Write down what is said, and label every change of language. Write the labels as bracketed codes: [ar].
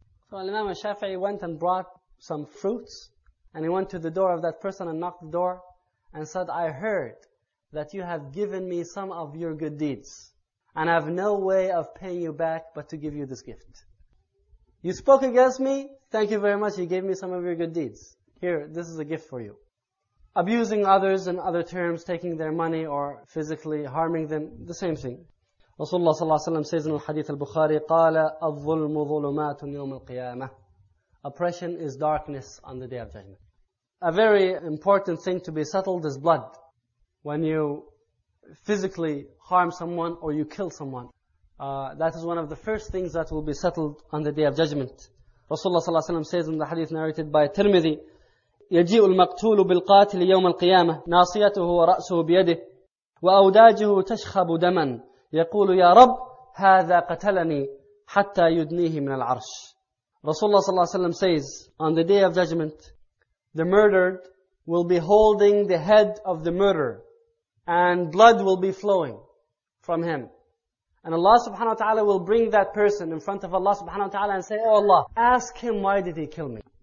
[en] So Imam al-Shafi'i went and brought some fruits, and he went to the door of that person and knocked the door and said, I heard that you have given me some of your good deeds, and I have no way of paying you back but to give you this gift. You spoke against me, thank you very much, you gave me some of your good deeds. Here, this is a gift for you. Abusing others in other terms, taking their money or physically harming them, the same thing. Rasulullah صلى الله عليه وسلم says in the Hadith al-Bukhari, [ar] قَالَ الظُّلْمُ ظُلُمَاتٌ يَوْمِ الْقِيَامَةِ. [en] Oppression is darkness on the Day of Judgment. A very important thing to be settled is blood. When you physically harm someone or you kill someone, that is one of the first things that will be settled on the Day of Judgment. [ar] Rasulullah صلى الله عليه وسلم [en] says in the Hadith narrated by Tirmidhi, [ar] يَجِيءُ الْمَقْتُولُ بِالْقَاتِلِ يَوْمَ الْقِيَامَةِ نَاصِيَتُهُ وَرَأْسُهُ بِيَدِهِ وَأَوْدَاجُهُ تَشْخَبُ دَمًا يَقُولُ يَا رَبْ هَذَا قَتَلَنِي حَتَّى يُدْنِيهِ مِنَ الْعَرْشِ. [en] Rasulullah صلى الله عليه وسلم says, on the Day of Judgment, the murdered will be holding the head of the murderer, and blood will be flowing from him. And Allah subhanahu wa ta'ala will bring that person in front of Allah subhanahu wa ta'ala and say, oh Allah, ask him why did he kill me?